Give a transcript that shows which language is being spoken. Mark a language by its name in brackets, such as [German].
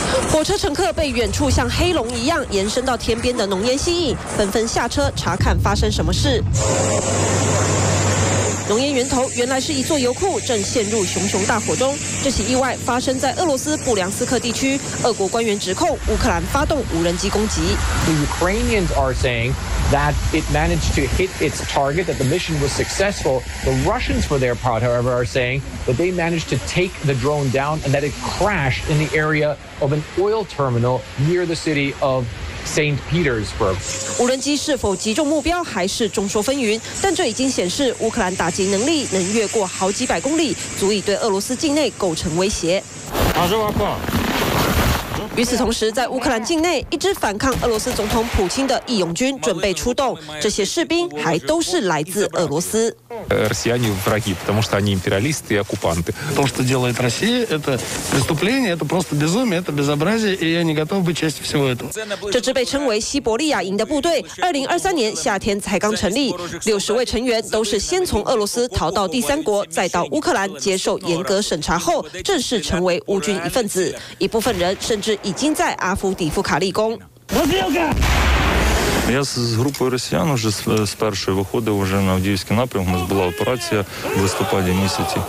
[Chinese] 火车乘客被远处像黑龙一样延伸到天边的浓烟吸引，纷纷下车查看发生什么事。浓烟源头原来是一座油库正陷入熊熊大火中，这起意外发生在俄罗斯布良斯克地区，俄国官员指控乌克兰发动无人机攻击。 [English] The Ukrainians are saying that it managed to hit its target, that the mission was successful. The Russians for their part, however, are saying that they managed to take the drone down and that it crashed in the area of an oil terminal near the city of St. Petersburg. [Chinese] 无人机是否击中目标还是众说纷纭，但这已经显示乌克兰打击能力能越过好几百公里，足以对俄罗斯境内构成威胁。与此同时，在乌克兰境内，一支反抗俄罗斯总统普京的义勇军准备出动，这些士兵还都是来自俄罗斯。 [Russian] Россияне враги, потому что они империалисты и оккупанты. То, что делает Россия, это преступление, это просто безумие, это безобразие, и я не готов быть частью всего этого. [Chinese] 这支被称为西伯利亚营的部队，2023年夏天才刚成立，60位成员都是先从俄罗斯逃到第三国，再到乌克兰接受严格审查后，正式成为乌军一份子。一部分人甚至已经在阿夫底夫卡立功。 [Ukrainian] Я з групою росіян уже з першої виходив вже на Авдіївський напрямок. У нас була операція в листопаді місяці.